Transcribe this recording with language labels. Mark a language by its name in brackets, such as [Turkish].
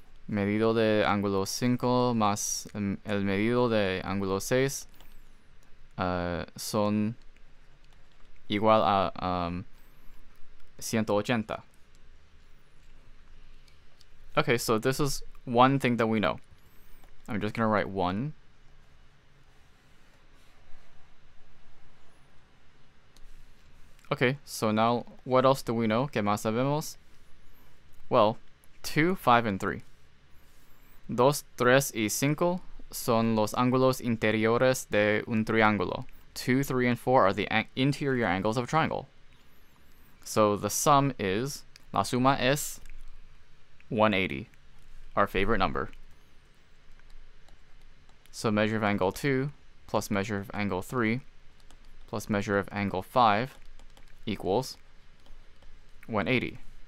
[Spanish] Medido de ángulo 5 más el medido de ángulo 6 son igual a 180. [English] Okay, so this is one thing that we know. I'm just gonna write one. Okay, so now what else do we know? [Spanish] ¿Qué más sabemos? [English] Well, 2, 5, and 3. [Spanish] Dos, tres, y cinco son los ángulos interiores de un triángulo. [English] 2, 3, and 4 are the interior angles of a triangle. So the sum is, [Spanish] la suma es [English] 180, our favorite number. So measure of angle 2 plus measure of angle 3 plus measure of angle 5 equals 180.